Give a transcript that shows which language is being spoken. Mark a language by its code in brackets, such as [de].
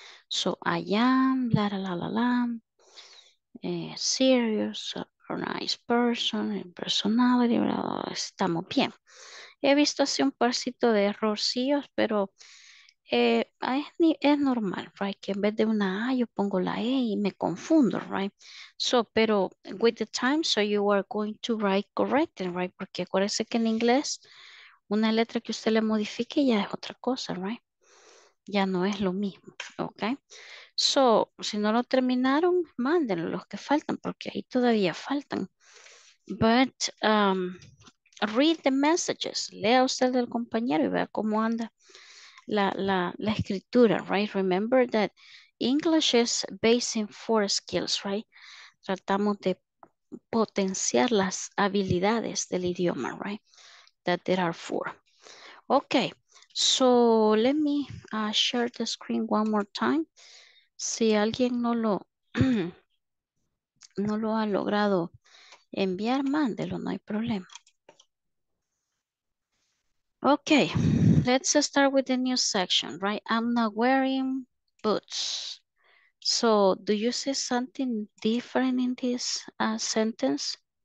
[en] So, I am, la la la la la, serious, a nice person, personality, bla, bla, bla. [es] Estamos bien. He visto así un parcito de errorcillos, pero es normal, right? Que en vez de una A, yo pongo la E y me confundo, right? [en] So, [es] pero [en] with the time, so you are going to write correctly, right? [es] Porque acuérdense que en inglés, una letra que usted le modifique ya es otra cosa, right? Ya no es lo mismo, ¿ok? So, si no lo terminaron, mándenlo los que faltan, porque ahí todavía faltan. [en] But, read the messages. [es] Lea usted del compañero y vea cómo anda la escritura, right? [en] Remember that English is based in 4 skills, right? [es] Tratamos de potenciar las habilidades del idioma, right? [en] That there are 4. [es] Ok. [en] So, let me share the screen one more time. [es] Si alguien no lo ha logrado enviar, mándelo, no hay problema. [en] Okay, let's start with the new section, right? I'm not wearing boots. So, do you see something different in this sentence?